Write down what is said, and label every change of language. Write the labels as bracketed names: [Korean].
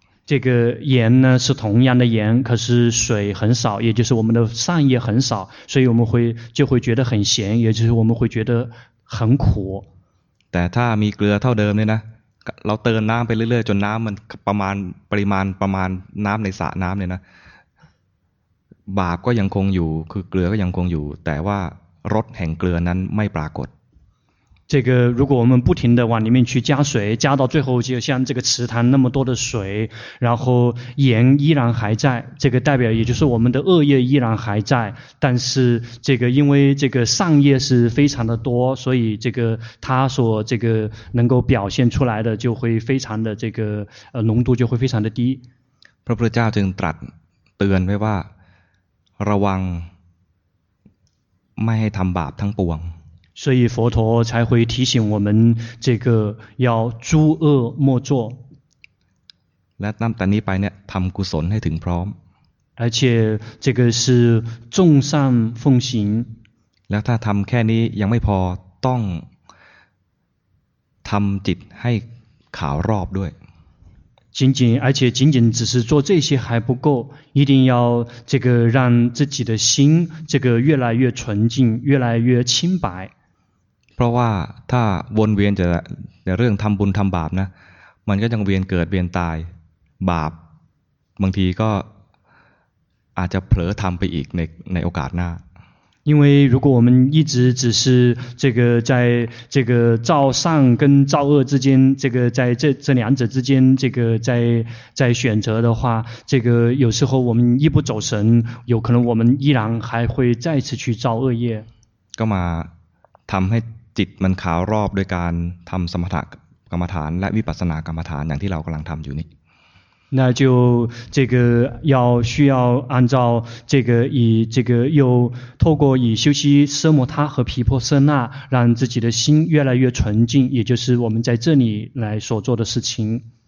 [Chinese] 这个盐呢是同样的盐可是水很少也就是我们的善业很少所以我们就会觉得很咸也就是我们会觉得很苦 [Thai] แต่ถ้ามีเกลือเท่าเดิมเนี่ยนะเราเติมน้ำไปเรื่อยๆจนน้ำมันประมาณปริมาณประมาณน้ำในสระน้ำเนี่ยนะบาปก็ยังคงอยู่คือเกลือก็ยังคงอยู่แต่ว่ารสแห่งเกลือนั้นไม่ปรากฏ [Chinese] 这个如果我们不停地往里面去加水，加到最后就像这个池塘那么多的水，然后盐依然还在，这个代表也就是我们的恶业依然还在，但是这个因为这个善业是非常的多，所以这个它所这个能够表现出来的就会非常的这个浓度就会非常的低。 [Thai] พระพุทธเจ้าจึงตรัสเตือนไว้ว่าระวังไม่ให้ทำบาปทั้งปวง [Chinese] 所以佛陀才会提醒我们这个要诸恶莫作 [Thai] และนับแต่นี้ไปเนี่ยทำกุศลให้ถึงพร้อม [Chinese] 而且这个是众善奉行 [Thai] แล้วถ้าทำแค่นี้ยังไม่พอต้องทำจิตให้ขาวรอบด้วย [Chinese] 仅仅而且仅仅只是做这些还不够一定要这个让自己的心这个越来越纯净越来越清白 [Thai] เพราะว่าถ้าวนเวียนจะเรื่องทำบุญทำบาปนะมันก็ยังเวียนเกิดเวียนตายบาปบางทีก็อาจจะเผลอทำไปอีกในโอกาสหน้า [Chinese] 因为如果我们一直只是这个在这个造善跟造恶之间这个在这两者之间这个在选择的话这个有时候我们一不走神有可能我们依然还会再次去造恶业 [Thai] ก็มาทำให้จิตมันขาวรอบโดยการทำสมถกรรมฐานและวิปัสสนากรรมฐานอย่างที่เรากำลังทำอยู่นี้ [Chinese] 那就这个要需要按照这个以这个又透过以修习奢摩他和毗婆舍那让自己的心越来越纯净也就是我们在这里来所做的事情